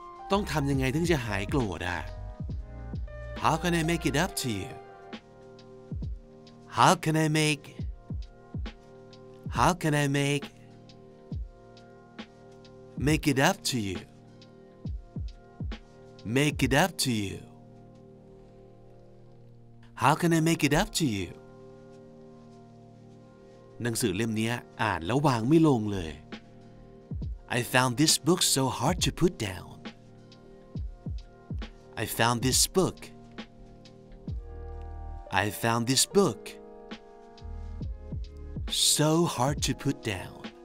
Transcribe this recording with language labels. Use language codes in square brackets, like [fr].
[th] ต้องทำยังไงถึงจะหายโกรธอ่ะ [en] How can I make it up to you? How can I make How can I make Make it up to you? Make it up to you. How can I make it up to you? [th] หนังสือเล่มนี้อ่านแล้ววางไม่ลงเลย [en] I found this book so hard to put down. I found this book. I found this book. So hard to put down.